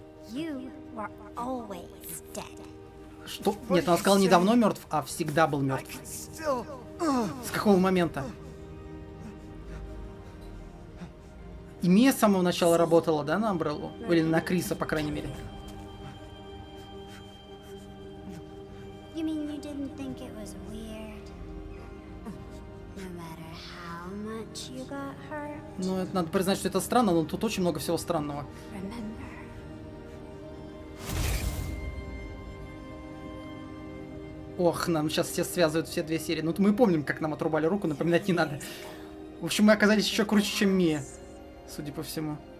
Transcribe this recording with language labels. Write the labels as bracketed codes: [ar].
[en] You were always dead. [ru] Что? Нет, она сказала не давно мертв, а всегда был мертв. С какого момента? И Мия с самого начала работала, да, на Амбреллу? Или на Криса, по крайней мере. [en] You mean you didn't think it was weird? No matter how much you got hurt. [ru] Ну, это надо признать, что это странно, но тут очень много всего странного. Ох, нам сейчас все связывают все две серии. Ну, мы помним, как нам отрубали руку, напоминать не надо. В общем, мы оказались еще круче, чем Мия, судя по всему.